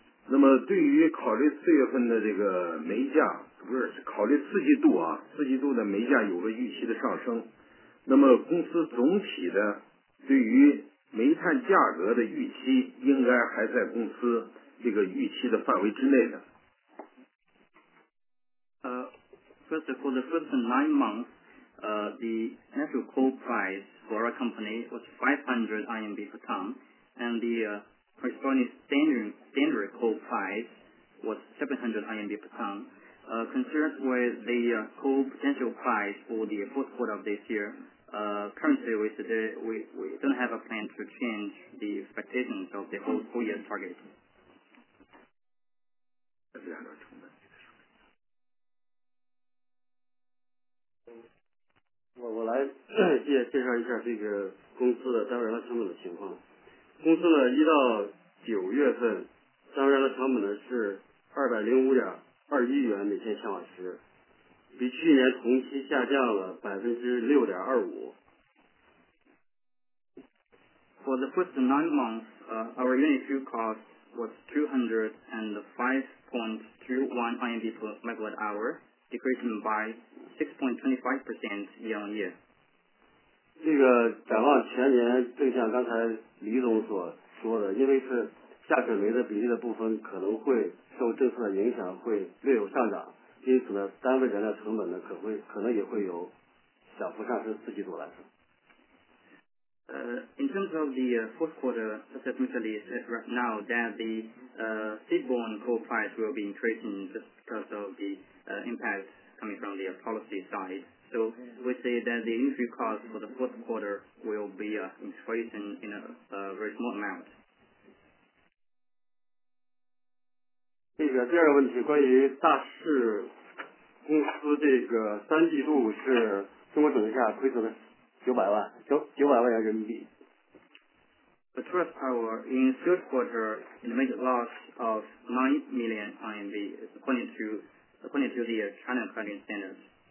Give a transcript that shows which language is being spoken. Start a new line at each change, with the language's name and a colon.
Chinese: 那么对于考虑四月份的这个煤价，不是考虑四季度啊，四季度的煤价有了预期的上升，那么公司总体的对于煤炭价格的预期，应该还在公司这个预期的范围之内的。
English: First, for the first 9 months, the natural coal price for our company was 500 RMB per ton, and the corresponding standard coal price was 700 RMB per ton. Concerned with the coal potential price for the fourth quarter of this year, currently we don't have a plan to change the expectations of the whole year target.
Chinese: 我来介绍一下这个公司的单位燃料成本的情况。公司呢，一到九月份，单位燃料成本呢是205.21元每千千瓦时，比去年同期下降了6.25%。
English: For the first 9 months, our unit fuel cost was 205.21 RMB per megawatt hour, decreasing by 6.25% year on year.
Chinese: 这个展望全年，正像刚才李总所说的，因为是下水煤的比例的部分可能会受政策的影响会略有上涨，因此呢，单位燃料成本呢可能也会有小幅上升。四季度来说。
English: In terms of the fourth quarter, as Mr. Li said right now, that the seaborne coal price will be increasing just because of the impact coming from the policy side. So we say that the industry cost for the fourth quarter will be increasing in a very small amount.
Chinese: 这个第二个问题，关于大势公司这个三季度是中国总结下亏损的900万元人民币。
English: The Tuas Power in third quarter made a loss of 9 million RMB, according to the China Accounting Standards.